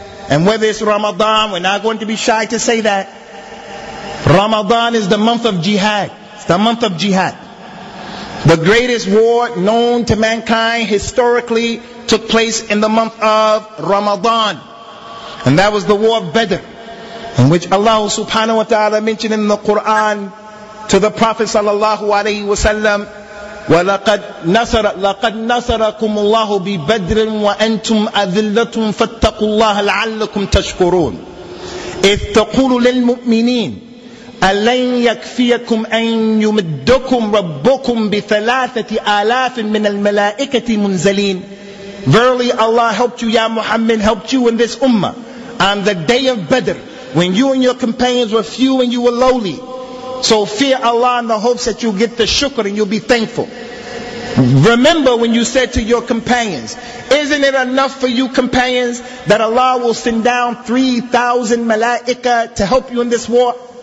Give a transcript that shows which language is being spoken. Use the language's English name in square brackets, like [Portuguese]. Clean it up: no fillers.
[English] And whether it's Ramadan, we're not going to be shy to say that. Ramadan is the month of jihad. It's the month of jihad. The greatest war known to mankind historically took place in the month of Ramadan. And that was the war of Badr. in which Allah subhanahu wa ta'ala mentioned in the Quran to the Prophet sallallahu alayhi wa sallam, [Arabic] وَلَقَدْ نَصَرَكُمُ اللَّهُ بِبَدْرٍ وَأَنْتُمْ أَذِلَّةٌ فَاتَّقُوا اللَّهَ لَعَلَّكُمْ تَشْكُرُونَ إِذْ تَقُولُ لِلْمُؤْمِنِينَ أَلَنْ يَكْفِيَكُمْ أَنْ يُمِدُّكُمْ رَبُّكُمْ بِثَلَاثَةِ آلَافٍ مِنَ الْمَلَائِكَةِ مُنْزَلِينَ. [English] Verily Allah helped you, Ya Muhammad, helped you in this ummah on the day of Badr, when you and your companions were few and you were lowly. So fear Allah in the hopes that you get the shukr and you'll be thankful. Remember when you said to your companions, isn't it enough for you companions that Allah will send down 3,000 malaika to help you in this war?